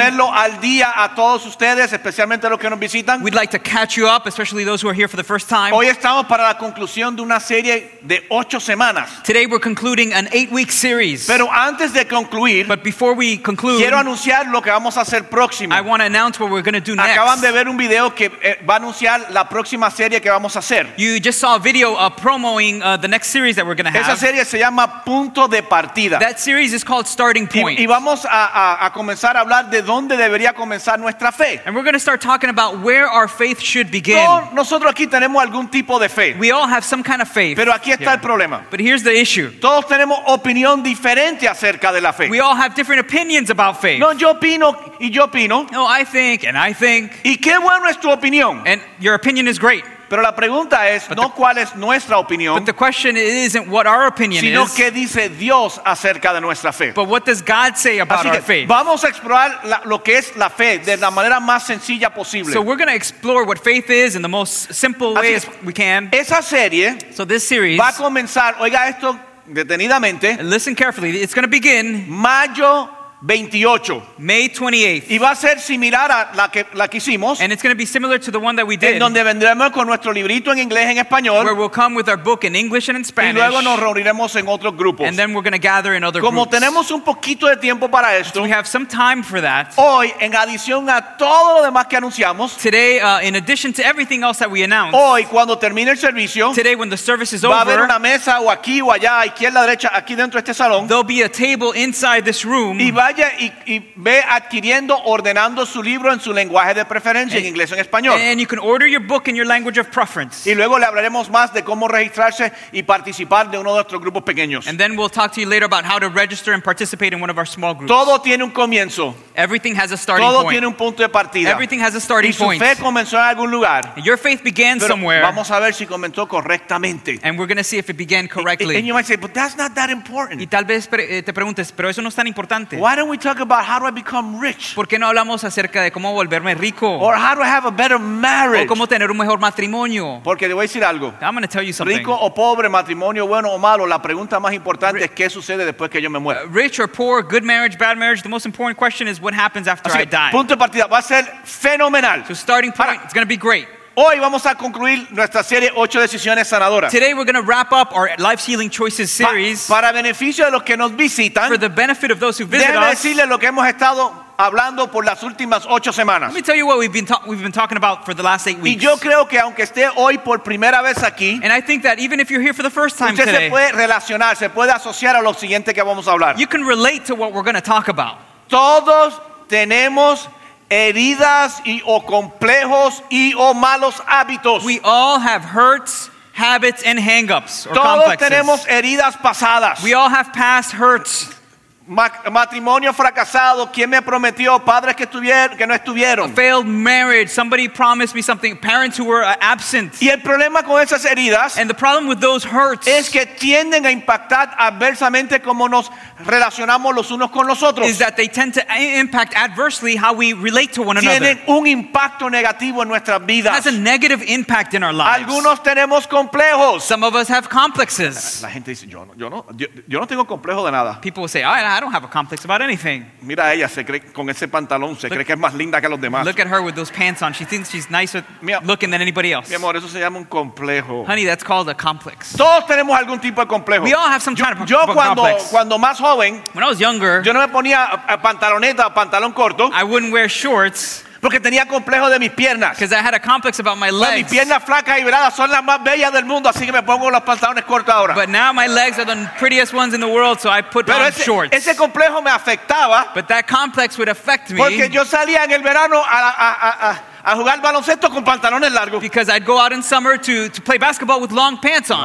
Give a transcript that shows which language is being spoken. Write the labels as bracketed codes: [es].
[es] Ponerlo al día a todos ustedes, especialmente a los que nos visitan. [en] We'd like to catch you up, especially those who are here for the first time. [es] Hoy estamos para la conclusión de una serie de 8 semanas. [en] Today we're concluding an 8-week series. [es] Pero antes de concluir, [en] but before we conclude, [es] quiero anunciar lo que vamos a hacer próximo. [en] I want to announce what we're going to do [es] Acaban [en] next. [es] Acaban de ver un video que va a anunciar la próxima serie que vamos a hacer. [en] You just saw a video promoting the next series that we're going to have. [es] Esa serie se llama Punto de partida. [en] That series is called Starting Point. [es] Y vamos a comenzar a hablar de dónde debería comenzar nuestra fe. [en] And we're going to start talking about where our faith should begin. [es] Nosotros aquí tenemos algún tipo de fe. [en] We all have some kind of faith. [es] Pero aquí está el problema. [en] But here's the issue. [es] Todos tenemos opinión diferente acerca de la fe. [en] We all have different opinions about faith. [es] No, yo opino y yo opino. [en] No, I think and I think. [es] ¿Y qué bueno es tu opinión? [en] And your opinion is great. [es] Pero la pregunta es no cuál es nuestra opinión, [en] but the question isn't what our opinion [es] sino [en] is, [es] qué dice Dios acerca de nuestra fe. [en] But what does God say about [es] Así que, [en] our faith? [es] Vamos a explorar lo que es la fe de la manera más sencilla posible. [en] So we're going to explore what faith is in the most simple way as we can. [es] Esa serie, [en] so this series, [es] va a comenzar, oiga esto detenidamente, [en] and listen carefully, it's going to begin [es] mayo 28. [en] May 28th. [es] Y va a ser similar a la que hicimos. [en] And it's going to be similar to the one that we did. [es] En donde vendremos con nuestro librito en inglés en español. [en] Where we'll come with our book in English and in Spanish. [es] Y luego nos reuniremos en otros grupos. [en] And then we're going to gather in other [es] Como [en] groups. [es] Como tenemos un poquito de tiempo para esto. [en] So we have some time for that. [es] Hoy, en adición a todo lo demás que anunciamos. [en] Today, in addition to everything else that we announced. [es] Hoy, cuando termine el servicio. [en] Today, when the service is [es] va [en] over. [es] Va a haber una mesa o aquí o allá, izquierda, derecha, aquí dentro de este salón. [en] There'll be a table inside this room. [es] Y vaya y ve adquiriendo, ordenando su libro en su lenguaje de preferencia, en inglés o en español. [en] And you can order your book in your language of preference. [es] Y luego le hablaremos más de cómo registrarse y participar de uno de nuestros grupos pequeños. [en] And then we'll talk to you later about how to register and participate in one of our small groups. [es] Todo tiene un comienzo. [en] Everything has a starting [es] Todo [en] point. [es] Todo tiene un punto de partida. [en] Everything has a starting point. [es] Y su fe comenzó en algún lugar. [en] And your faith began [es] Pero [en] somewhere. [es] Vamos a ver si comenzó correctamente. [en] And we're going to see if it began correctly. And you might say, but that's not that important. [es] Y tal vez te preguntes, pero eso no es tan importante. [en] Why don't we talk about how do I become rich? [es] ¿Por qué no hablamos acerca de cómo volverme rico? [en] Or how do I have a better marriage? [es] ¿O cómo tener un mejor matrimonio? Porque te voy a decir algo. [en] I'm going to tell you something. [es] Rico o pobre, matrimonio bueno o malo, la pregunta más importante es qué sucede después que yo me muera. [en] Rich or poor, good marriage, bad marriage, the most important question is what happens after [es] Así que, [en] I die. [es] Punto de partida va a ser fenomenal. [en] So starting point, it's going to be great. [es] Hoy vamos a concluir nuestra serie 8 decisiones sanadoras. [en] Today we're going to wrap up our life healing choices series. [es] Para beneficio de los que nos visitan. [en] For the benefit of those who visit us. [es] Déjenme decirles lo que hemos estado hablando por las últimas 8 semanas. [en] Let me tell you what we've been talking about for the last 8 weeks. [es] Y yo creo que aunque esté hoy por primera vez aquí, [en] and I think that even if you're here for the first time [es] usted [en] today, [es] usted se puede relacionar, se puede asociar a lo siguiente que vamos a hablar. [en] You can relate to what we're going to talk about. [es] Todos tenemos heridas y o complejos y o malos hábitos. [en] We all have hurts, habits, and hang-ups or [es] Todos [en] complexes. [es] Tenemos heridas pasadas. [en] We all have past hurts. [es] Matrimonio fracasado, quién me prometió, padres que no estuvieron. [en] A failed marriage, somebody promised me something, parents who were absent. [es] Y el problema con esas heridas, [en] and the problem with those hurts, [es] es que tienden a impactar adversamente cómo nos relacionamos los unos con los otros. [en] Is that they tend to impact adversely how we relate to one [es] tienen [en] another. [es] Tienen un impacto negativo en nuestras vidas. [en] It has a negative impact in our lives. [es] Algunos tenemos complejos. [en] Some of us have complexes. [es] La gente dice, yo no tengo complejo de nada. [en] People say, I don't have a complex about anything. [es] Mira ella, se cree con ese pantalón, se cree que es más linda que los demás. [en] Look at her with those pants on. She thinks she's nicer looking than anybody else. [es] Mi amor, eso se llama un complejo. [en] Honey, that's called a complex. [es] Todos tenemos algún tipo de complejo. [en] We all have some kind of complex. [es] Yo cuando más joven, [en] when I was younger, [es] yo no me ponía pantaloneta, pantalón corto. [en] I wouldn't wear shorts. [es] Porque tenía complejo de mis piernas. [en] Because I had a complex about my legs. [es] Mis piernas flacas y veladas son las más bellas del mundo, así que me pongo los pantalones cortos ahora. [en] But now my legs are the prettiest ones in the world, so I put [es] Pero [en] on [es] ese, [en] shorts. [es] Ese complejo me afectaba. [en] But that complex would affect me. [es] Porque yo salía en el verano a jugar baloncesto con pantalones largos. [en] Because I'd go out in summer to play basketball with long pants on.